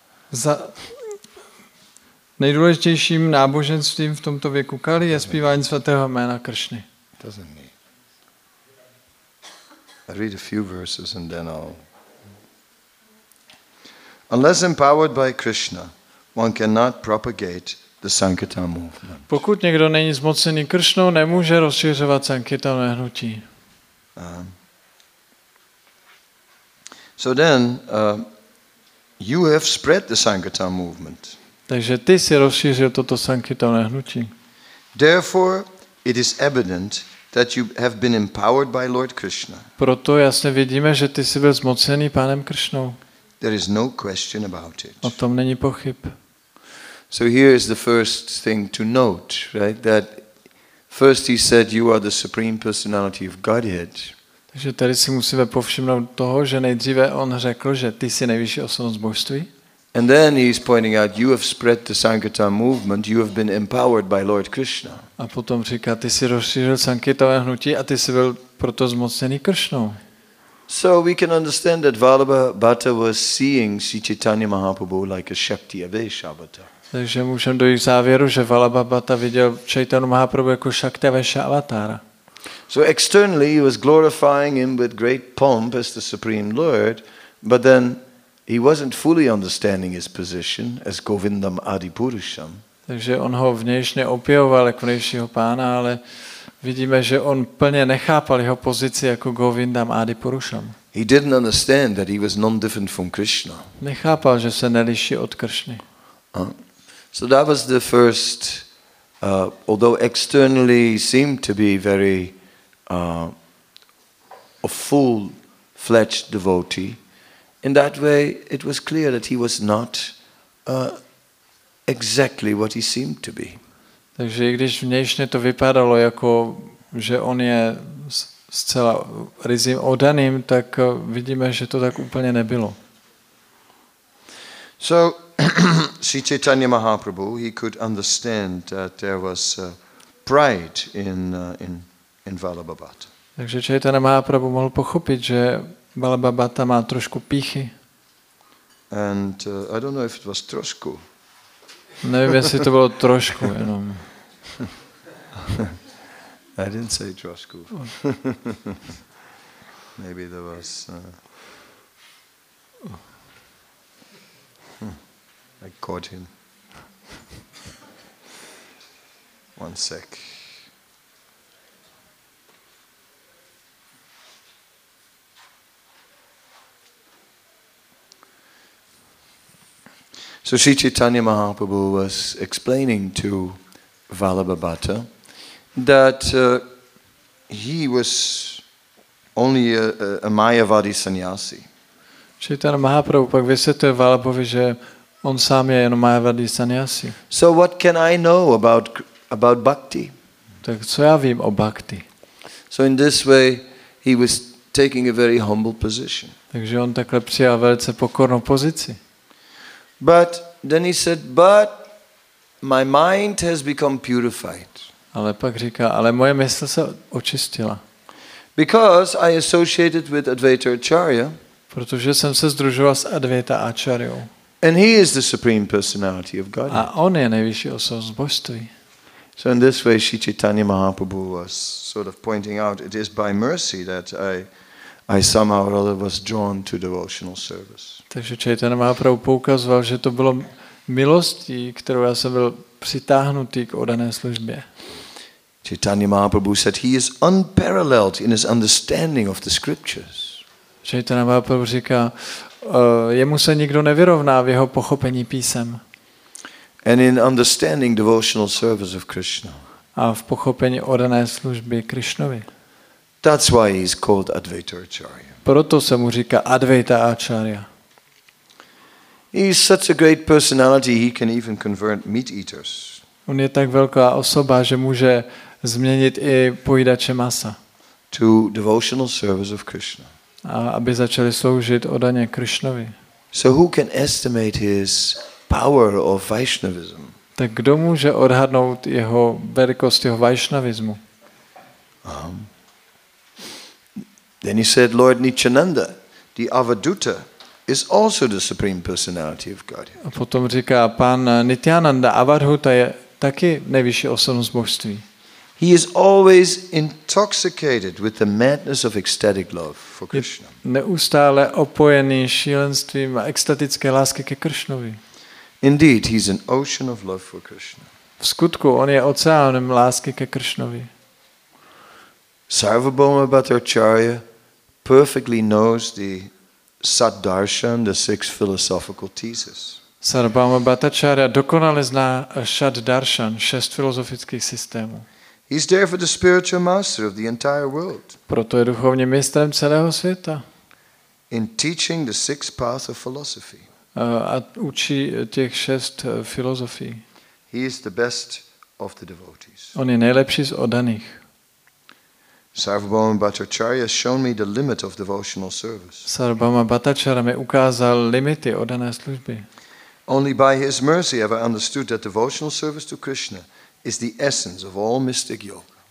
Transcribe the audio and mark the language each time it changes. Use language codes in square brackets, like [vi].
[cs] Za nejdůležitějším náboženstvím v tomto věku Kali je zpívání svatého jména Kršny. [en] I'll read a few verses and then I'll. Unless empowered by Krishna, one cannot propagate the Sankirtan movement. [cs] Pokud někdo není zmocněný Kršnou, nemůže rozšiřovat Sankirtan hnutí. [en] So then, you have spread the Sankirtan movement. [cs] Takže ty jsi rozšířil toto Sankirtan hnutí. [en] Therefore, it is evident that you have been empowered by Lord Krishna. [cs] Proto jasně vidíme, že ty jsi byl zmocněný pánem Kršnou. [en] There is no question about it. [cs] O tom není pochyb. [en] So here is the first thing to note, right? That first he said you are the supreme personality of Godhead. [cs] Takže tady si musíme povšimnout toho, že nejdříve on řekl, že ty jsi nejvyšší osobnost božství. [en] And then he is pointing out you have spread the Sankirtan movement, you have been empowered by Lord Krishna. [cs] A potom říká, ty jsi rozšířil Sankirtanové hnutí a ty jsi byl proto zmocněný Kršnou. [en] So we can understand that Vallabhabhata was seeing Sri Chaitanya Mahaprabhu like a Shakti Aveshavata. [cs] Takže můžeme dojít k závěru, že Vallabhabhata viděl Chaitanya Mahaprabhu jako Shakti Aveshavatara. [en] So externally he was glorifying him with great pomp as the Supreme Lord, but then he wasn't fully understanding his position as Govindam Adipurusham. [cs] Takže on ho vnějšně opěvoval jako nejvyššího pána, ale vidíme, že on plně nechápal jeho pozici jako Govindam Adipurusham. [en] He didn't understand that he was non-different from Krishna. [cs] Nechápal, že se neliší od Kršny. [en] So that was the first, although externally seemed to be very a full-fledged devotee, in that way it was clear that he was not exactly what he seemed to be. [cs] Takže i když vnějšně to vypadalo jako že on je zcela ryzím oddaným, tak vidíme, že to tak úplně nebylo. [en] So Sri Chaitanya Mahaprabhu, he could understand that there was pride in Vallabhabhat. [cs] Takže Chaitanya Mahaprabhu mohl pochopit, že Vallabhabhata má trošku pýchy. [en] And I don't know if it was trošku. [cs] Nevím, jestli to bylo trošku jenom. [en] I didn't say trošku. Maybe there was I caught him. One sec. So Sri Chaitanya Mahaprabhu was explaining to Vallabhabhata that he was only a Mayavadi sannyasi. [cs] Chaitanya Mahaprabhu pak vysvětluje Vallabhovi, že on sám je jenom Mayavadi sannyasi. [en] So what can I know about bhakti? [cs] Tak co já vím o bhakti? [en] So in this way he was taking a very humble position. [cs] Takže on takhle přijal velice pokornou pozici. [en] But then he said, but my mind has become purified. [cs] Ale pak říká, ale moje mysl se očistila. [en] Because I associated with Advaita Acharya. [cs] Protože jsem se sdružoval s Advaita Acharyou. [en] And he is the supreme personality of God. [cs] A on je nejvyšší osobnost božství. [en] So in this way Sri Chaitanya Mahaprabhu was sort of pointing out it is by mercy that I somehow or other was drawn to devotional service. [cs] Takže Chaitanya Mahaprabhu poukazoval, že to bylo milostí, kterou já jsem byl přitáhnutý k oddané službě. [en] Chaitanya Mahaprabhu said he is unparalleled in his understanding of the scriptures. [cs] Chaitanya Mahaprabhu říká, jemu se nikdo nevyrovná v jeho pochopení písem. [en] And in understanding devotional service of Krishna. [cs] A v pochopení oddané služby Krishnovi. [en] That's why he's called Advaita Acharya. [cs] Proto se mu říká Advaita Acharya. [en] He's such a great personality, he can even convert meat eaters. [cs] On je tak velká osoba, že může změnit i pojídače masa. [en] To devotional service of Krishna. [cs] A aby začali sloužit oddaně Krishnovi. [en] So who can estimate his power of Vaishnavism? [cs] Tak kdo může odhadnout jeho velikost jeho Vaishnavismu? [en] Then he said, Lord Nityananda, the Avaduta, is also the supreme personality of Godhead. [cs] A potom říká pan Nityananda, Avadhuta je taky nejvyšší osobnost božství. [en] He is always intoxicated with the madness of ecstatic love for Krishna. [cs] Neustále opojený šílenstvím a extatické lásky ke Krishnovi. [en] Indeed, he is an ocean of love for Krishna. [cs] V skutku on je oceánem lásky ke Krishnovi. [en] Sarvabhauma Bhattacharya perfectly knows the Sat-darshan, the six philosophical theses. [cs] Sarvabhauma Bhattacharya dokonale zná Sat-darshan, šest filozofických systémů. [en] He's therefore the spiritual master of the entire world. [cs] Proto je duchovní mistrem celého světa. [en] In teaching the six paths of philosophy. [cs] A učí těch šest filozofií. [en] He is the best of the devotees. [cs] On je nejlepší z oddaných. [en] Sarvabhauma Bhattacharya has shown me the limit of devotional service. [cs] Sarvabhauma Bhattacharya mi ukázal limity oddané služby. [en] Only by his mercy have I understood that devotional service to Krishna is the essence of all mystic yoga.